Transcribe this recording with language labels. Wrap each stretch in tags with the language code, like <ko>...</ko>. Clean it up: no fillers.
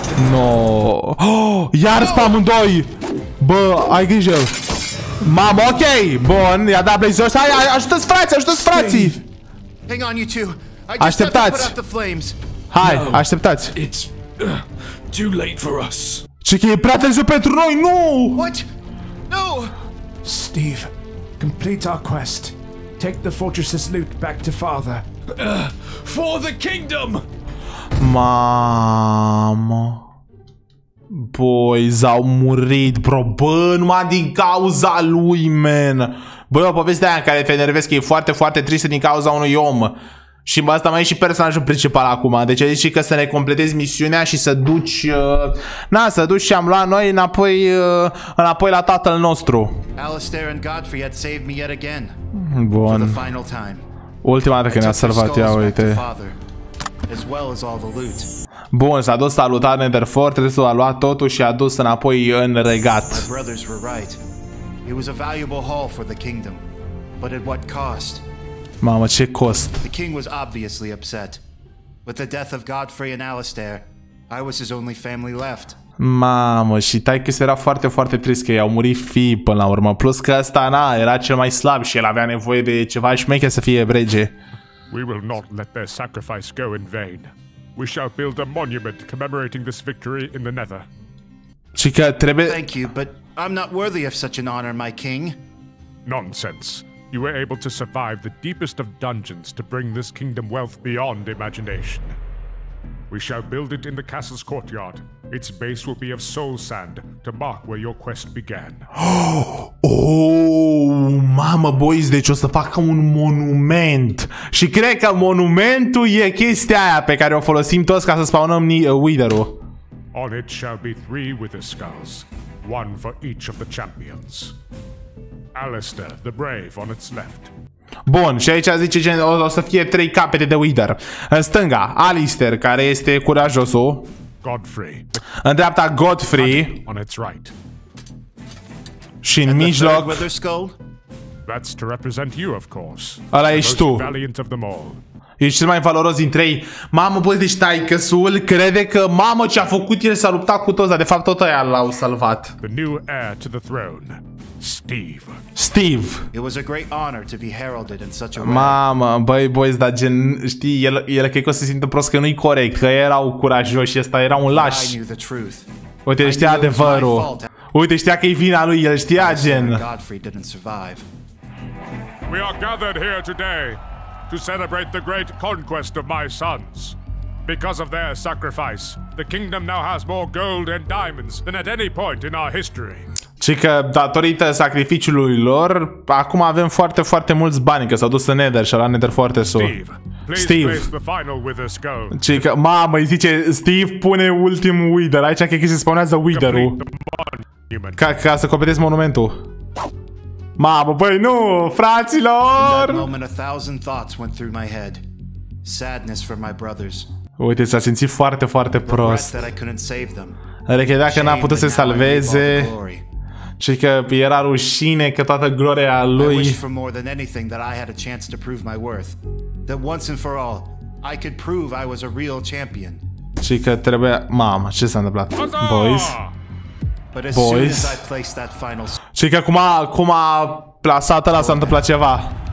<ro>No. Oh, iar spamul 2. Bă, ai grijă. Mamă, ok. Bun, i-a dat Blaze-ul ăsta. Hai, ajută-ți frații, ajută-ți frații.</ro> <en>Hang on, you two.</en> <ro>Așteptați. Hai, no, așteptați.</ro> <en>It's too late for us.</en> <ro>Ce, că e prea târziu pentru noi? Nu!</ro> <en>What? No! Steve, complete our quest. Take the fortress's loot back to father. For the kingdom!</en> <ro>Mamă. Boys au murit, bro. Bă, numai din cauza lui, man. Bă, o poveste aia în care te enervezi că e foarte, foarte tristă din cauza unui om. Și bă, asta mai e și personajul principal acum. Deci a zis și că să ne completezi misiunea și să duci să duci și am luat noi înapoi, înapoi la tatăl nostru.</ro> <en>Alistair and Godfrey had saved me yet again. Bun. For the final time.</en> <ro>Ultima dată când ne-a salvat, ia uite.</ro> <en>As well as all the loot.</en> <ro>Bun, s-a dus, s-a lutat Netherfort, restul a luat totul și a dus înapoi în regat.</ro> <en>My brothers were right. It was a valuable haul for the kingdom. But at what cost?</en> <ro>Mamă, ce cost?</ro> <en>The king was obviously upset. With the death of Godfrey and Alistair, I was his only family left.</en> <ro>Mamă, și taică-s era foarte, foarte trist că i-au murit fiii până la urmă. Plus că ăsta, na, era cel mai slab și el avea nevoie de ceva șmeche să fie rege.</ro> <en>We will not let their sacrifice go in vain. We shall build a monument commemorating this victory in the Nether.</en> <ro>Chica, trebuie...</ro> <en>Thank you, but I'm not worthy of such an honor, my king. Nonsense. You were able to survive the deepest of dungeons to bring this kingdom wealth beyond imagination. We shall build it in the castle's courtyard. Its base will be of soul sand to mark where your quest began.</en> <ro>Oh, mamă, boys, deci o să facă un monument. Și cred că monumentul e chestia aia pe care o folosim toți ca să spawnăm Wither-ul.</ro> <en>On it shall be three Wither skulls, one for each of the champions. Alistair, the brave, on its left.</en> <ro>Bun, și aici zice gen, o să fie trei capete de Wither. În stânga, Alistair, care este curajosul.</ro> <en>Godfrey.</en> <ro>În dreapta, Godfrey.</ro> <en>On its right.</en> <ro>Și în mijloc.</ro> <en>Wither skull? That's to represent you, of course.</en> <ro>Ăla ești tu.</ro> <en>Valiant of them all.</en> <ro>Ești cel mai valoros din trei. Mamă, băi, deci taicăsul crede că mamă ce a făcut el s-a luptat cu toți, dar de fapt tot aia l-au salvat.</ro> <en>The new heir to the throne. Steve. Steve. It was a great honor to be heralded in such a way.</en> <ro>Mamă, băi, boys, dar gen, știi, el cred că o să se simtă prost că nu-i corect, că erau curajoși, ăsta era un laș.</ro> <en>I knew the truth.</en> <ro>Uite, știa adevărul. Uite, știa că e vina lui, el știa, gen.</ro> <en>Godfrey didn't survive. We are gathered here today to celebrate the great conquest of my sons. Because of their sacrifice, the kingdom now has more gold and diamonds than at any point in our history.</en> <ro>Și că datorită sacrificiului lor, acum avem foarte, foarte mulți bani, că s-au dus în Nether și la Nether foarte sus.</ro> <en>Steve, place the final Wither skull.</en> <ro>Și că, mamă, îi zice, Steve, pune ultimul Wither, aici că se spawnează Wither-ul. Ca să completezi monumentul. Mamă, băi, nu, fraților!</ro> <en>In that moment, a thousand thoughts went through my head. Sadness for my brothers.</en> <ro>Uite, s-a simțit foarte, foarte prost.</ro> <en>That I couldn't save them.</en> <ro>Recredea că n-a putut să salveze. Și că era rușine că toată gloria lui.</ro> <en>I wish for more than anything that I had a chance to prove my worth. That once and for all, I could prove I was a real champion.</en> <ro>Și că trebuie... Mamă, ce s-a întâmplat? Boys?</ro> <en>But as boys? Soon as I placed that final...</en> <ro>Și că cum a plasat ăla, s-a întâmplat ceva.</ro>